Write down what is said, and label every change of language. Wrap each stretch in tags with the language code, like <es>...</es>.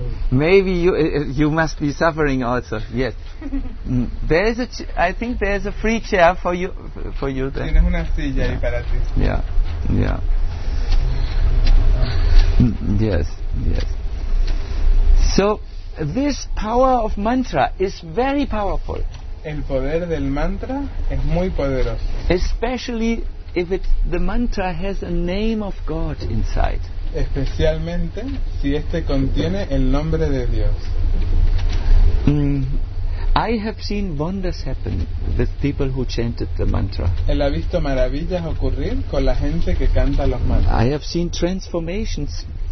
<en>Maybe you must be suffering also. Yes. There is a. I think there is a free chair for you.</en> <es>Tienes una silla ahí para ti.</es> <en>Yeah. Yeah. Yes. So this power of mantra is very powerful.</en> <es>El poder del mantra es muy poderoso.</es> <en>Especially if the mantra has a name of God inside.</en> <es>Especialmente si este contiene el nombre de Dios.</es> <en>I have seen wonders happen with people who chanted the mantra.</en> <es>Él ha visto maravillas ocurrir con la gente que canta los mantras.</es> <en>I have seen transformations.</en>